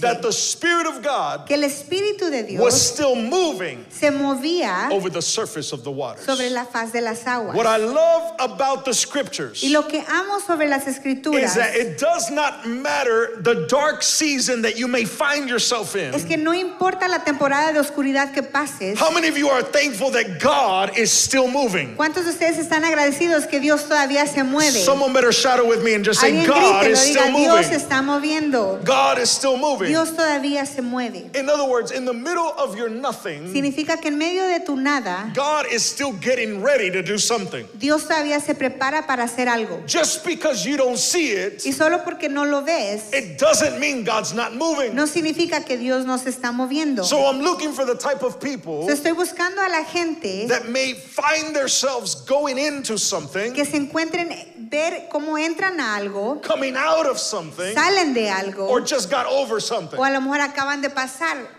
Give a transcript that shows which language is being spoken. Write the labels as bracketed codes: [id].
[en] that the Spirit of God [es] que el Espíritu de Dios [en] was still moving [es] se movía [en] over the surface of the waters. [es] Sobre la faz de las aguas. [en] What I love about the Scriptures [es] y lo que amo sobre las Escrituras [en] is that it does not matter the dark season that you may find yourself in. [es] Es que no importa la temporada de oscuridad que pases. [en] How many of you are thankful that God is still moving? [es] ¿Cuántos de ustedes están agradecidos que Dios todavía se mueve? [en] Someone better shout it with me and just say, God [es] grítelo, [en] is still [es] diga, [en] moving. [es] Dios está moviendo. [en] God is still moving. [es] Dios todavía se mueve. [en] In other words, in the middle of your nothing, [es] significa que en medio de tu nada, [en] God is still getting ready to do something. [es] Dios todavía se prepara para hacer algo. [en] Just because you don't see it, [es] y solo porque no lo ves, [en] it doesn't mean God's not moving. [es] No significa que Dios no se está moviendo. [en] So I'm looking for the type of people, [es] so estoy buscando a la gente, [en] that may find themselves going into something, [es] que se encuentren ver cómo entran a algo, [en] coming out of something, [es] salen de algo, [en] or just got over something. [es] O a lo mejor acaban de pasar sobre